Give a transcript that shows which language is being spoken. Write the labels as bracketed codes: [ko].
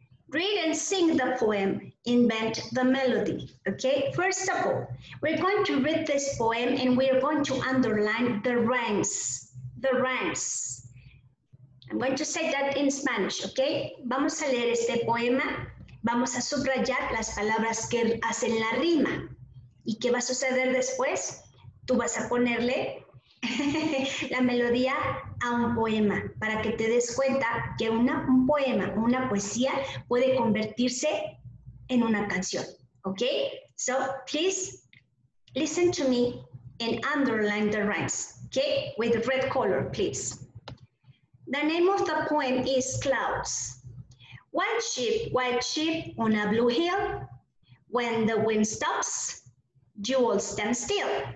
[en] Read and sing the poem, invent the melody, okay? First of all, we're going to read this poem and we are going to underline the rhymes, the rhymes. I'm going to say that in Spanish, okay? [es] Vamos a leer este poema. Vamos a subrayar las palabras que hacen la rima. ¿Y qué va a suceder después? Tú vas a ponerle la melodía a un poema para que te des cuenta que un poema, una poesía, puede convertirse en una canción, okay? [en] So, please listen to me and underline the rhymes, okay? With red color, please. The name of the poem is Clouds. White sheep on a blue hill. When the wind stops, you all stand still.